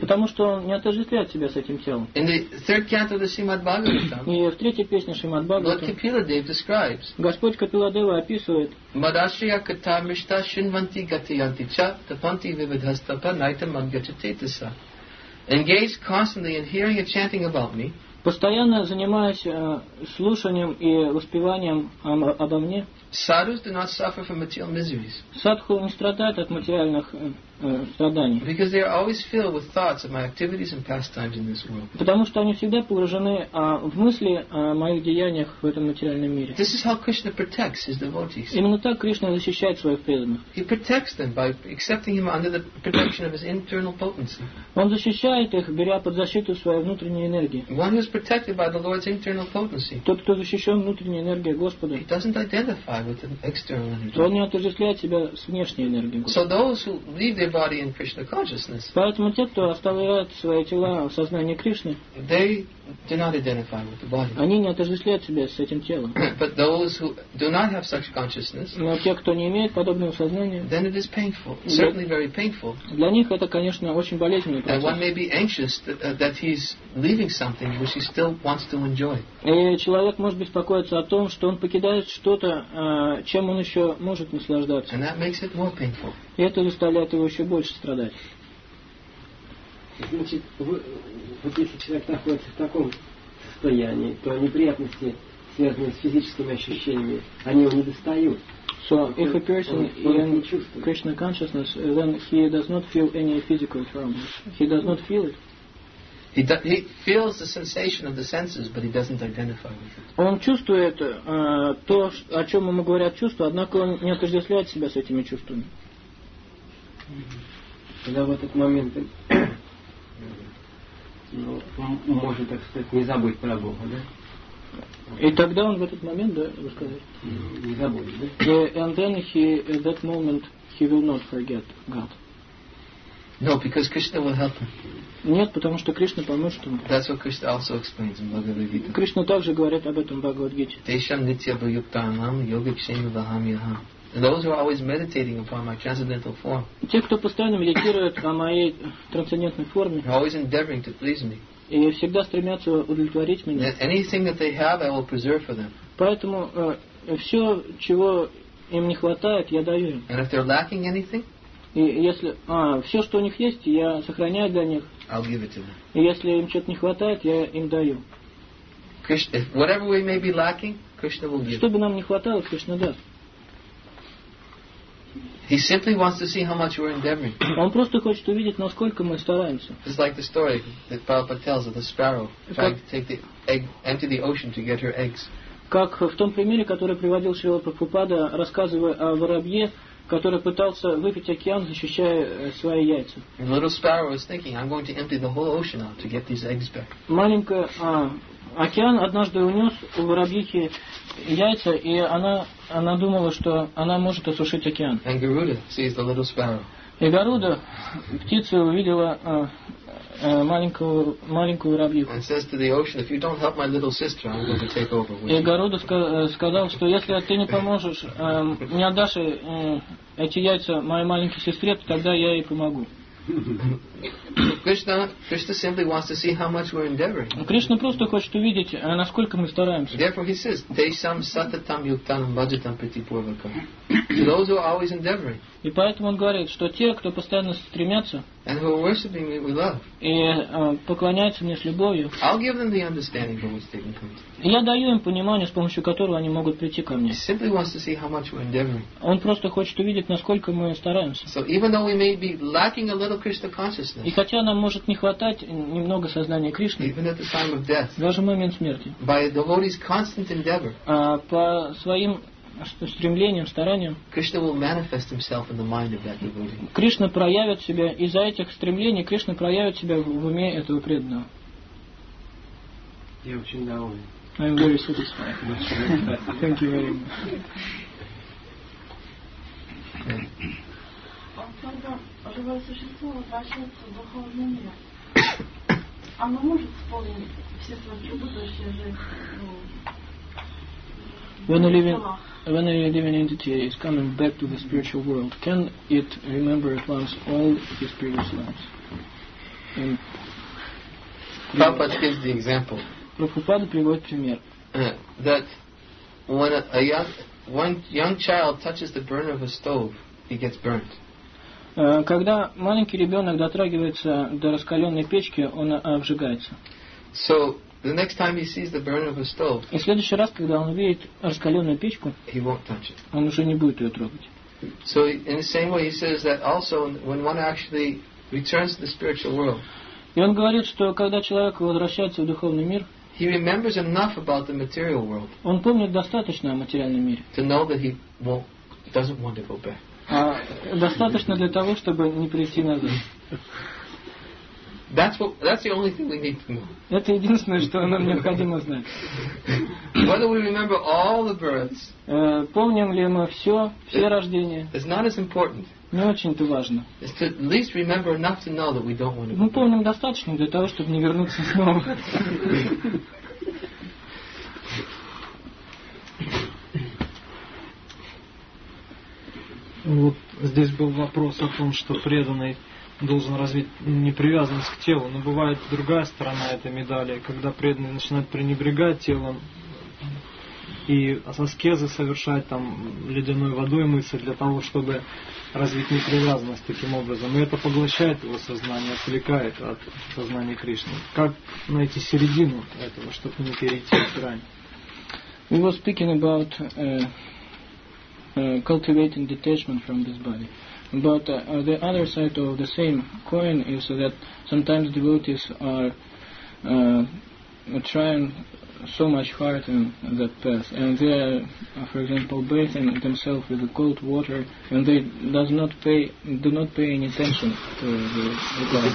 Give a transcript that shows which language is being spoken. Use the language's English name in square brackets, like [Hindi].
[Russian] Потому что он не отождествляет себя с этим телом. [English] In the third canto of the Srimad Bhagavatam. [Russian] И в третьей песне Шримад Бхагаватам. [English] Lord Kapiladeva describes. [Russian] Господь Капиладева описывает. [Sanskrit] Мадашрия ката мишта шинванти гатиянти ча тапанти вивидхастапа найтам амгачатетаса. [English] Engaged constantly in hearing and chanting about me. [Russian] Постоянно занимаясь слушанием и воспеванием обо мне. [English] Sadhus do not suffer from material miseries. [Russian] Садху не страдает от материальных страданий. [English] Because they are always filled with thoughts of my activities and pastimes in this world. [Russian] Потому что они всегда погружены в мысли о моих деяниях в этом материальном мире. [English] This is how Krishna protects his devotees. [Russian] Именно так Кришна защищает своих преданных. [English] He protects them by accepting him under the protection of his internal potency. [Russian] Он защищает их, беря под защиту своей внутренней энергии. [English] One who is protected by the Lord's internal potency. [Russian] Тот, кто защищен внутренней энергией Господа. [English] He doesn't identify. With an external energy. [Russian] Он не отождествляет себя с внешней энергией. [English] So those who leave their body in Krishna consciousness. [Russian] Поэтому те, кто оставляет свои тела в сознании Кришны. [English] They do not identify with the body. [Russian] Они не отождествляют себя с этим телом. [English] But those who do not have such consciousness. [Russian] Но те, кто не имеет подобного сознания. [English] Then it is painful. Certainly very painful. [Russian] Для них это, конечно, очень болезненный процесс. [English] And one may be anxious that he's leaving something which he still wants to enjoy. [Russian] И человек может беспокоиться о том, что он покидает что-то, чем он еще может наслаждаться. [English] And that makes it more painful. [Russian] И это заставляет его еще больше страдать. Значит, вот если человек находится в таком состоянии, то неприятности, связанные с физическими ощущениями, они его не достают. [English] So, if a person in Krishna consciousness, then he does not feel any physical trauma. He does not feel it. He feels the sensation of the senses, but he doesn't identify with it. [Russian] Он чувствует то, о чем ему говорят чувства, однако он не отождествляет себя с этими чувствами. Когда в этот момент, можно так сказать, не забыть про Бога, да? И тогда он в этот момент, да, вы сказали? Не забудет, да? [English] And then at that moment he will not forget God. No, because Krishna will help him. [Russian] Нет, потому что Кришна поможет ему. [English] That's what Krishna also explains in Bhagavad-gita. [Russian] Кришна также говорит об этом в Бхагавад-гите. [Sanskrit] Тешам нитья баюктанам йога кшема вахам яхам. [English] Those who are always meditating upon my transcendental form. [Russian] Те, кто постоянно медитирует о моей трансцендентной форме. [English] Always endeavoring to please me. [Russian] И всегда стремятся удовлетворить меня. [English] Anything that they have, I will preserve for them. [Russian] Поэтому все, чего им не хватает, я даю им. [English] And if they're lacking anything. [Russian] И если все, что у них есть, я сохраняю для них. [English] I'll give it to them. [Russian] И если им что-то не хватает, я им даю. [English] Krishna, whatever we may be lacking, Krishna will give. [Russian] Что бы нам не хватало, Кришна даст. [English] He simply wants to see how much we're endeavoring. [Russian] Он просто хочет увидеть, насколько мы стараемся. [English] It's like the story that Prabhupada tells of the sparrow trying to take the egg into the ocean to get her eggs. [Russian] Как в том примере, который приводил Шрила Прабхупада, рассказывая о воробье, который пытался выпить океан, защищая свои яйца. [English] And little sparrow was thinking, I'm going to empty the whole ocean out to get these eggs back. [Russian] Маленькая океан однажды унес у воробьихи яйца, и она думала, что она может осушить океан. [English] And Garuda sees the little sparrow. [Russian] И Гаруда, птица, увидела маленькую воробьиху. [English] And says to the ocean, if you don't help my little sister, I'm going to take over. [Russian] И Гаруда сказал, что если ты не поможешь, не отдашь эти яйца моей маленькой сестре, то тогда я ей помогу. [English] Krishna simply wants to see how much we're endeavoring. [Russian] Кришна просто хочет увидеть, насколько мы стараемся. [English] Therefore he says, [Sanskrit] Tesham satatam yuktanam bhajatam pratipurvakam. [English] To those who are always endeavoring. [Russian] И поэтому он говорит, что те, кто постоянно стремятся, [English] and who are worshiping me with love, [Russian] и поклоняются мне с любовью, [English] I'll give them the understanding from which they can come. [Russian] Я даю им понимание, с помощью которого они могут прийти ко мне. [English] He simply wants to see how much we're endeavoring. [Russian] Он просто хочет увидеть, насколько мы стараемся. [English] So even though we may be lacking a little Krishna consciousness. consciousness. [Russian] И хотя нам может не хватать немного сознания Кришны, [English] even at the time of death, [Russian] даже в момент смерти, [English] by the devotee's constant endeavor, [Russian] по своим стремлением, старанием, [English] Krishna will manifest himself in the mind of that devotee. [Russian] Кришна проявит себя, из-за этих стремлений Кришна проявит себя в уме этого преданного. Я очень доволен. [English] I'm very satisfied. Thank you very much. [Russian] Оно может исполнить все свои будущие жизни. [English] When a living entity is coming back to the spiritual world, can it remember at once all his previous lives? Prabhupada gives the example. [Russian] Prabhupada приводит пример. [English] That when a young child touches the burner of a stove, he gets burnt. [Russian] Когда маленький ребенок дотрагивается до раскаленной печки, он обжигается. [English] So the next time he sees the burner of a stove, [Russian] и в следующий раз, когда он видит раскаленную печку, [English] he won't touch it. [Russian] Он уже не будет ее трогать. [English] So in the same way, he says that also when one actually returns to the spiritual world, [Russian] и он говорит, что когда человек возвращается в духовный мир, [English] he remembers enough about the material world, [Russian] он помнит достаточно о материальном мире, [English] to know that he won't, doesn't want to go back. [Russian] Достаточно для того, чтобы не прийти назад. [English] That's the only thing we need to know. [Russian] Это единственное, что нам необходимо знать. [English] Whether we remember all the births, [Russian] помним ли мы все рождения, [English] it's not as important. [Russian] Не очень-то важно. [English] It's to at least remember enough to know that we don't want to. [Russian] Мы помним достаточно для того, чтобы не вернуться снова. Вот здесь был вопрос о том, что преданный должен развить непривязанность к телу. Но бывает другая сторона этой медали, когда преданный начинает пренебрегать телом и аскезы совершать, там, ледяной водой мыться для того, чтобы развить непривязанность таким образом. И это поглощает его сознание, отвлекает от сознания Кришны. Как найти середину этого, чтобы не перейти в грань? [English] We were speaking about cultivating detachment from this body. But the other side of the same coin is that sometimes devotees are trying so much hard in that path, and they are, for example, bathing themselves with the cold water, and they do not pay any attention to the